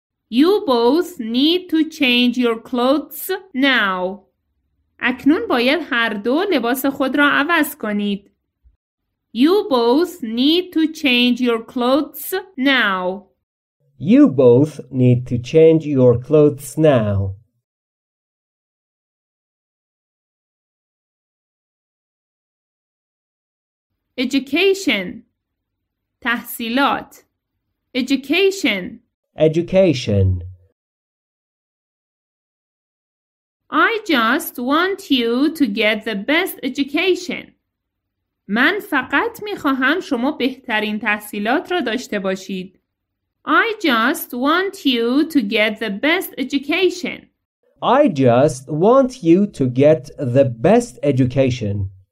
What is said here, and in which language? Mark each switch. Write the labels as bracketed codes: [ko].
[en] You both need to change your clothes now. [fa] اکنون باید هر دو لباس خود را عوض کنید. [en] You both need to change your clothes now. You both need to change your clothes now. Education. تحصیلات. Education. Education. I just want you to get the best education. [fa] من فقط می‌خواهم شما بهترین تحصیلات را داشته باشید. [en] I just want you to get the best education. I just want you to get the best education.